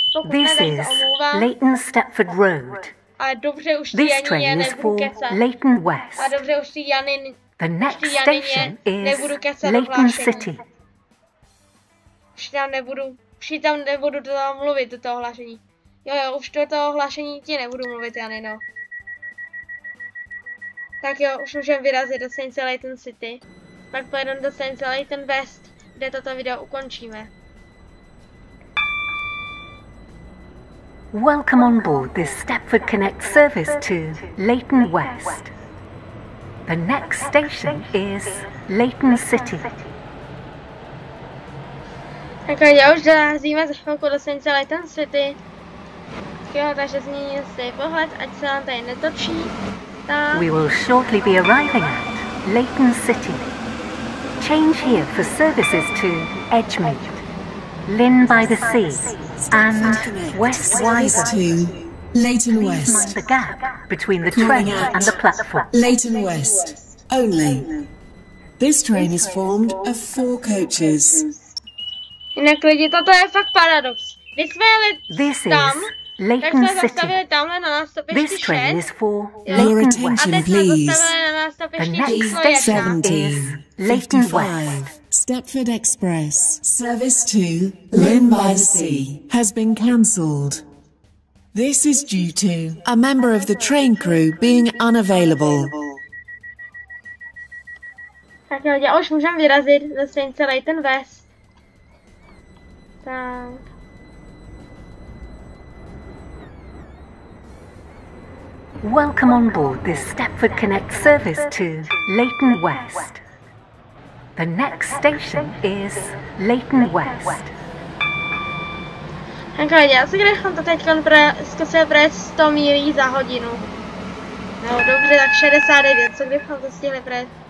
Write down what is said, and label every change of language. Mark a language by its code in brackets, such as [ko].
[en] This is Leighton Stepford Road. This train is for Leighton West. The next station is Leighton City. [cs] Už tam nebudu to tam mluvit, do toho hlášení. Jo, už do toho hlášení ti nebudu mluvit, Janino. Tak jo, už můžeme vyrazit do stanice Leighton City. Pak pojedeme do stanice Leighton West, kde toto video ukončíme. [en] Welcome on board this Stepford Connect service to Leighton West. The next station is Leighton City. [cs] Tak jo, už dorazíme za chvilku do stanice Leighton City. Jo, takže změní si pohled, ať se nám tady netočí. Tak. [en] We will shortly be arriving at Leighton City. Change here for services to Edgemead, Lynn by the Sea, and West Wyver. Leighton West. Mind the gap between the train and the platform. Leighton West. Only. This train is formed of four coaches. [cs] Jinak lidi, toto je fakt paradox. My jsme jeli tam, [en] this is Leighton City. This train is for Leighton West. Your attention, please. The next 17:55. Stepford Express. Service to Lynn by the Sea has been cancelled. This is due to a member of the train crew being unavailable. [cs] Tak jo, už můžeme vyrazit do stanice Leighton West. Tak. [en] Welcome on board this Stepford Connect service to Leighton West. The next station is Leighton West. [cs] Tak lidi, asi kdybychom to teď zkusili projet 100 milí za hodinu. No dobře, tak 69, co kdybychom to stihli projet?